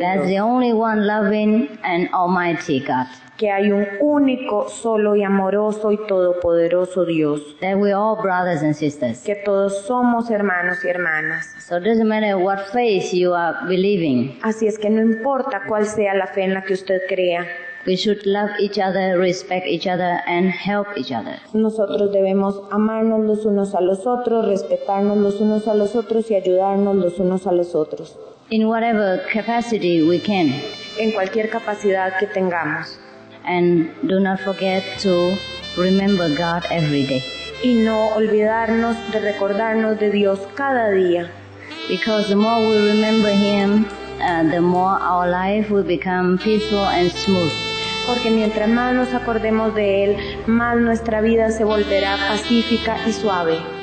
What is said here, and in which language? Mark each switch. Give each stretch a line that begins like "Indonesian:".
English: That's the only one loving and almighty God.
Spanish: Que hay un único, solo y amoroso y todopoderoso Dios.
English: That we're all brothers and sisters.
Spanish: Que todos somos hermanos y hermanas.
English: So it doesn't matter what faith you are believing.
Spanish: Así es que no importa cuál sea la fe en la que usted crea.
English: We should love each other, respect each other, and help each other.
Spanish: Nosotros debemos amarnos los unos a los otros, respetarnos los unos a los otros y ayudarnos los unos a los otros.
English: In whatever capacity we can.
Spanish: En cualquier capacidad que tengamos.
English: And do not forget to remember God every day.
Spanish: Y no olvidarnos de recordarnos de Dios cada día.
English: Because the more we remember Him, the more our life will become peaceful and smooth.
Spanish: Porque mientras más nos acordemos de Él, más nuestra vida se volverá pacífica y suave.